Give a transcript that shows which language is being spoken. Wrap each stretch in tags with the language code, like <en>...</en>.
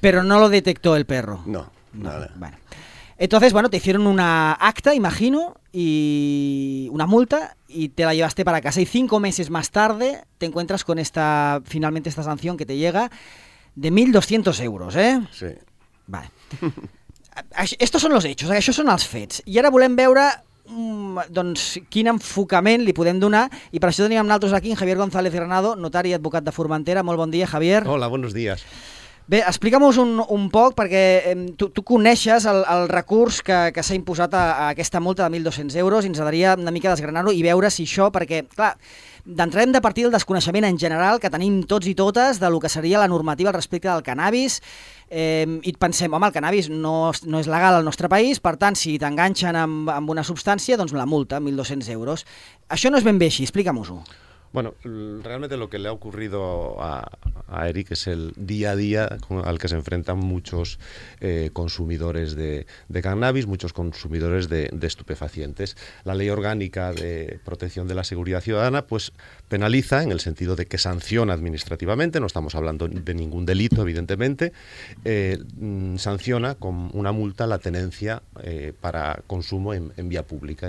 <es>Pero no lo detectó el perro. No, nada. Bueno. Entonces, bueno, te hicieron una acta, imagino, y una multa, y te la llevaste para casa. Y 5 meses más tarde te encuentras con esta sanción que te llega de 1.200 euros, ¿eh? Sí. Vale. Estos són los hechos,</es> <ca>això són els fets. I ara volem veure doncs, quin enfocament li podem donar. I per això tenim nosaltres aquí en Javier González Granado, notari i advocat de Formentera. Molt bon dia, Javier.</ca> <es>Hola, buenos días.</es> <ca>Bé, explica'm-nos un poc, perquè tu coneixes el recurs que s'ha imposat a aquesta multa de 1.200 euros i ens agradaria una mica desgranar-ho i veure si això, perquè, clar, d'entrada hem de partir del desconeixement en general que tenim tots i totes de lo que seria la normativa al respecte del cannabis, i pensem, home, el cannabis no és legal al nostre país, per tant, si t'enganxen amb una substància, doncs la multa, 1.200 euros. Això no és ben bé així, explica'm-nos-ho.</ca> <es>Bueno, realmente lo que le ha ocurrido a Eric es el día a día al que se enfrentan muchos consumidores de cannabis, muchos consumidores de estupefacientes. La Ley Orgánica de Protección de la Seguridad Ciudadana pues penaliza en el sentido de que sanciona administrativamente, no estamos hablando de ningún delito, evidentemente, sanciona con una multa la tenencia para consumo en vía pública.</es>